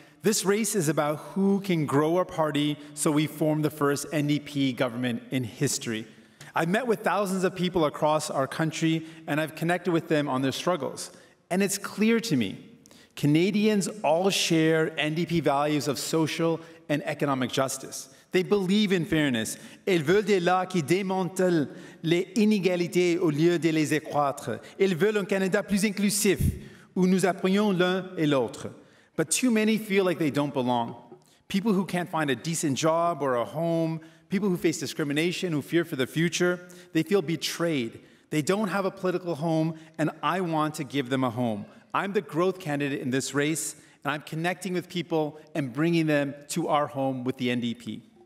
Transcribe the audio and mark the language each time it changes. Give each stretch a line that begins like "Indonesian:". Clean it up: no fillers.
English: This race is about who can grow our party so we form the first NDP government in history. I've met with thousands of people across our country, and I've connected with them on their struggles. And it's clear to me, Canadians all share NDP values of social and economic justice. They believe in fairness.
French: Ils veulent des lois qui démantèlent les inégalités au lieu de les accroître. Ils veulent un Canada plus inclusif, où nous apprenons l'un et l'autre.
English: But too many feel like they don't belong. People who can't find a decent job or a home, people who face discrimination, who fear for the future, they feel betrayed. They don't have a political home, and I want to give them a home. I'm the growth candidate in this race, and I'm connecting with people and bringing them to our home with the NDP.